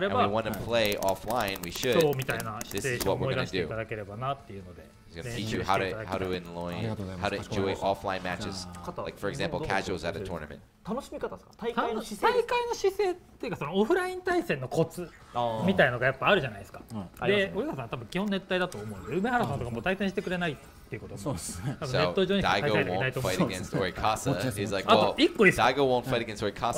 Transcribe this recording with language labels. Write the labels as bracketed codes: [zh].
[ja] れば、もしオフラインで対戦する機会があれば、今日みたいなシチュエーションを思い出していただければなっていうので、 [en] He's going to teach you how to enjoy, how to enjoy offline matches, like for example, casuals at a tournament. [ja] 楽しみ方ですか？大会の姿勢？大会の姿勢っていうか、そのオフライン対戦のコツみたいのがやっぱあるじゃないですか。で、織笠さんは多分基本熱帯だと思うんで、梅原さんとかも対戦してくれないっていうこと。そうですね。多分ネット上にしか対戦できないと思う。 [en] Daigo won't fight against Orikasa. He's like, well, Daigo won't fight against Orikasa.